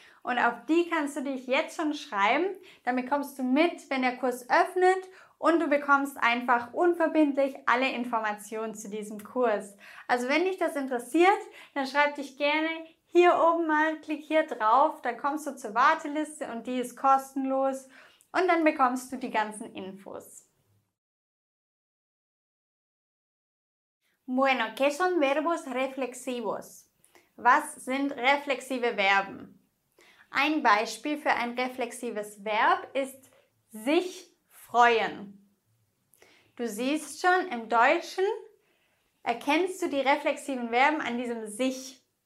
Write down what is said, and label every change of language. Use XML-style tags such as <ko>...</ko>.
<de>Und auf die kannst du dich jetzt schon schreiben, damit kommst du mit, wenn der Kurs öffnet und du bekommst einfach unverbindlich alle Informationen zu diesem Kurs. Also wenn dich das interessiert, dann schreib dich gerne hier oben mal, klick hier drauf, dann kommst du zur Warteliste und die ist kostenlos und dann bekommst du die ganzen Infos.</de> <es>Bueno, ¿qué son verbos reflexivos?</es> <de>Was sind reflexive Verben? Ein Beispiel für ein reflexives Verb ist sich freuen. Du siehst schon, im Deutschen erkennst du die reflexiven Verben an diesem sich.</de>